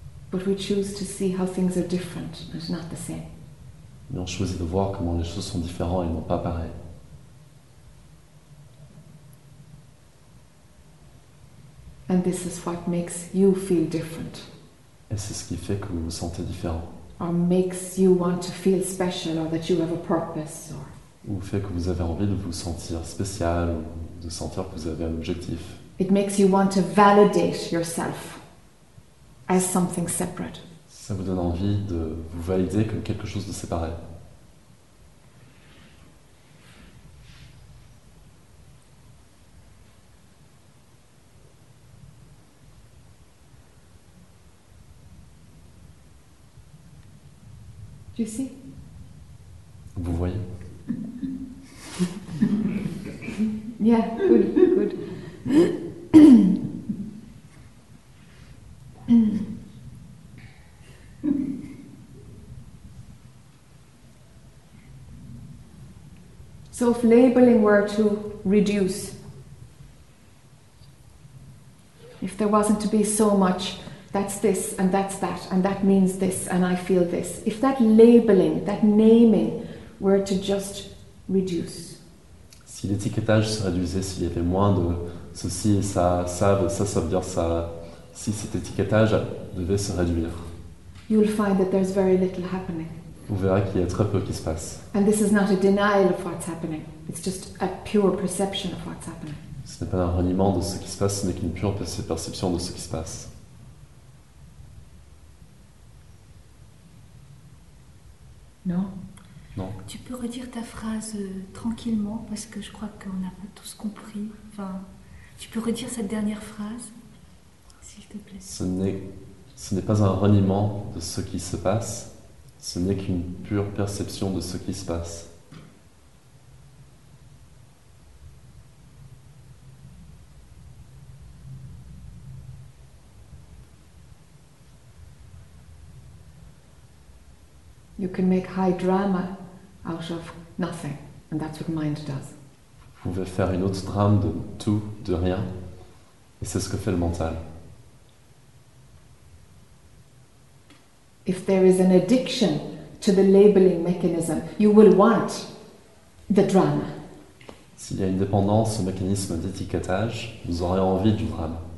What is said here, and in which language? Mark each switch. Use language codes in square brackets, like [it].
[en] But we choose to see how things are different and not the same. [fr] Mais on choisit de voir comment les choses sont différentes et non pas pareilles. [en] And this is what makes you feel different. [fr] Et c'est ce qui fait que vous vous sentez différent. [en] Or makes you want to feel special, or that you have a purpose, or. [fr] Ou fait que vous avez envie de vous sentir spécial, ou de sentir que vous avez un objectif. [en] It makes you want to validate yourself as something separate. [fr] Ça vous donne envie de vous valider comme quelque chose de séparé. [en] You see? [fr] Vous voyez? [en] Yeah, good. So if labeling were to reduce, if there wasn't to be so much, that's this and that's that, and that means this and I feel this, if that labeling, that naming were to just reduce. [fr] Si l'étiquetage se réduisait, s'il y avait moins de ceci et ça, ça, ça, ça veut dire ça, si cet étiquetage devait se réduire. [en] You'll find that there's very little happening. [fr] Vous verrez qu'il y a très peu qui se passe. [en] And this is not a denial of what's happening. It's just a pure perception of what's happening. [fr] Ce n'est pas un reniement de ce qui se passe, ce n'est qu'une pure perception de ce qui se passe. Non. Non. Tu peux redire ta phrase tranquillement parce que je crois qu'on n'a pas tous compris. Enfin, tu peux redire cette dernière phrase, s'il te plaît. Ce n'est pas un reniement de ce qui se passe. Ce n'est qu'une pure perception de ce qui se passe. [en] You can make high drama out of nothing, and that's what mind does. [fr] Vous pouvez faire une autre drame de tout, de rien, et c'est ce que fait le mental. [en] If there is an addiction to the labeling mechanism, you will want the drama. [fr] S'il y a une dépendance au mécanisme d'étiquetage, vous aurez envie du drame.